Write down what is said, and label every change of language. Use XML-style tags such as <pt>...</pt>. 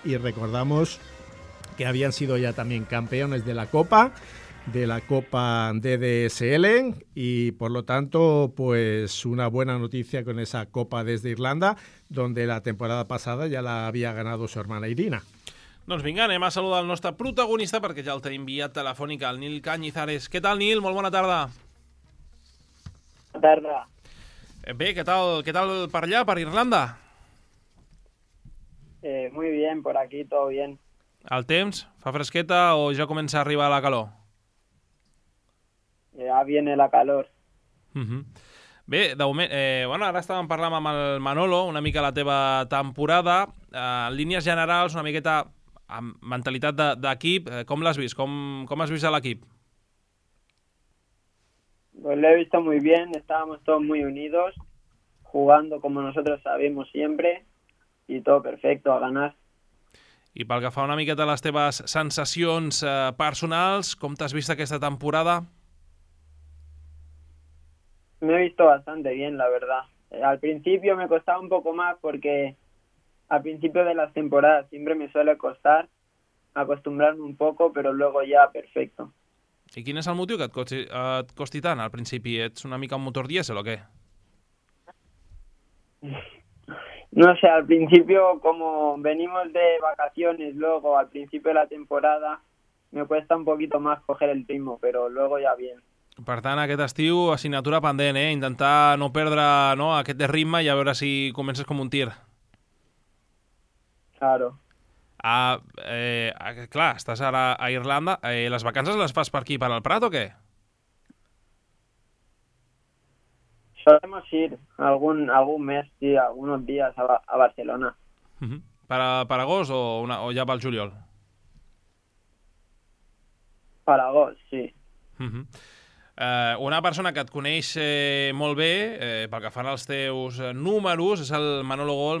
<es>Y recordamos que habían sido ya también campeones de la Copa, de la Copa DDSL, y por lo tanto, pues una buena noticia con esa Copa desde Irlanda, donde la temporada pasada ya la había ganado su hermana Irina.</es> <ca>Doncs vinga, anem a saludar el nostre protagonista, perquè ja el tenim via telefònica, el Nil Cañizares. Què tal, Nil? Molt bona tarda. Bona tarda. Bé, què tal per allà, per Irlanda?</ca> <es>Muy bien, por aquí todo bien.</es> <ca>El temps? Fa fresqueta o ja comença a arribar la calor?</ca> <es>Ya viene la calor.</es> <ca>Bé, de moment, bueno, ara estàvem parlant amb el Manolo, una mica la teva temporada. En línies generals, una miqueta amb mentalitat d'equip, com l'has vist? Com has vist a l'equip?</ca> <es>Pues lo he visto muy bien, estábamos todos muy unidos, jugando como nosotros sabemos siempre, y todo perfecto, a ganar.</es> <ca>I pel que fa una miqueta a les teves sensacions personals, com t'has vist aquesta temporada?</ca> <es>Me he visto bastante bien, la verdad. Al principio me costaba un poco más porque al principio de las temporadas siempre me suele costar acostumbrarme un poco, pero luego ya perfecto. ¿Y quién es el motivo que</es> <ca>et costi tant al principio? ¿Ets una mica un motor diésel o qué?</ca> <es>No sé, al principio, como venimos de vacaciones, luego al principio de la temporada me cuesta un poquito más coger el ritmo, pero luego ya bien.</es> <ca>Per tant, aquest estiu, assignatura pendent, eh? Intentar no perdre, no, aquest ritme, i a veure si comences com un tir.</ca> <es>Claro.</es> <ca>Clar, estàs ara a Irlanda. Les vacances les fas per aquí, per al Prat, o què?</ca> <es>Solemos ir algun mes, sí, algunos días a Barcelona.</es> <ca>Per agost o ja pel juliol? Per agost, sí. Una persona que et coneix molt bé, pel que fan els teus números, és el Manolo Gol.</ca>